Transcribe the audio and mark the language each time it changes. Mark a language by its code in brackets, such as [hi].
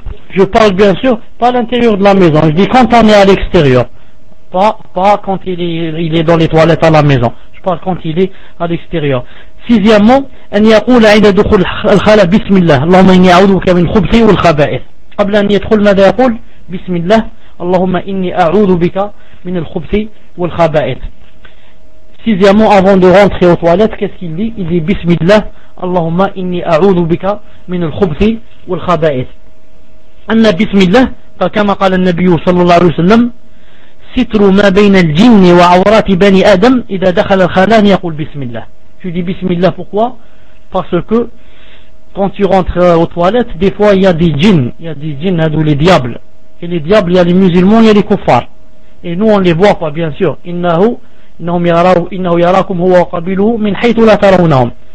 [fr] Je parle bien sûr pas à l'intérieur de la maison, je dis quand on est à l'extérieur, pas quand il est dans les toilettes à la maison, je parle quand il est à l'extérieur. Sixièmement, [ar] أن يقول عند دخول الخلاء بسم الله اللهم إني أعوذ بك من خبثي والخبائث. قبل أن يدخل ماذا يقول؟ بسم الله اللهم إني أعوذ بك من الخبثي والخبائث. [fr] Sixièmement, avant de rentrer aux toilettes, qu'est-ce qu'il dit? Il dit [ar] بسم الله اللهم إني أعوذ بك من الخبثي والخبائث. أن بسم الله فكما قال النبي صلى الله عليه وسلم ستر ما بين الجن وعورات بني آدم إذا دخل الخلان يقول بسم الله. [fr] Tu dis bismillah pourquoi? Parce que quand tu rentres aux toilettes, des fois il y a des djinns, il y a des djinns, ou les diables. Et les diables, il y a les musulmans, il y a les kuffars. Et nous on les voit pas, bien sûr. [ar] Innahu yarakum huwa qabiluhu min haythu la tarawnahum.